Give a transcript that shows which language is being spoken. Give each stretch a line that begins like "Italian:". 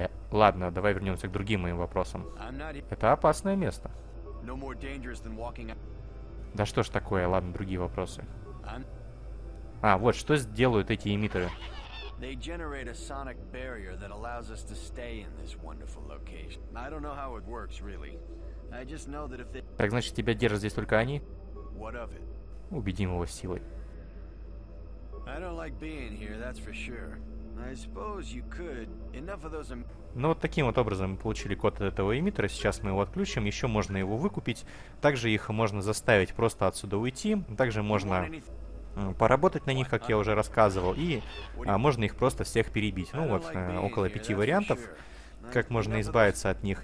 Russian: Ладно, давай вернемся к другим моим вопросам. Это опасное место.
English: No more dangerous than walking up.
Russian: Да что ж такое, ладно, другие вопросы. А, вот, что сделают эти эмиттеры?
English: They generate a sonic barrier that allows us to stay in this wonderful location. I don't know how it works, really. I just know that if they...
Russian: Так, значит, тебя держат здесь только они?
English: What of it?
Russian: Убедим его силой.
English: I don't like being here, that's for sure. I suppose you could. Enough of those...
Russian: Ну вот таким вот образом мы получили код от этого эмиттера. Сейчас мы его отключим, еще можно его выкупить. Также их можно заставить просто отсюда уйти. Также можно поработать на них, как я уже рассказывал. И можно их просто всех перебить. Ну вот, около 5 вариантов, как можно избавиться от них.